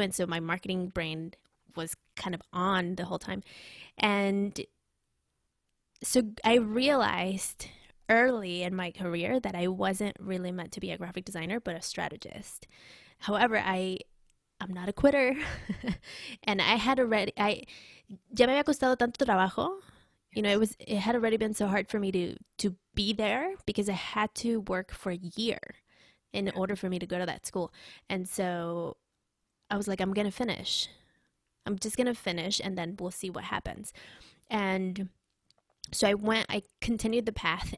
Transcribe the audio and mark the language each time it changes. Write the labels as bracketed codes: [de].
[en] And so my marketing brain was kind of on the whole time. And so I realized early in my career that I wasn't really meant to be a graphic designer, but a strategist. However, I I'm not a quitter. And I had already, I, [es] ya me había costado tanto trabajo. [en] You know, it had already been so hard for me to be there because I had to work for a year in order for me to go to that school. And so I was like, I'm going to finish. I'm just going to finish and then we'll see what happens. And so I went, I continued the path.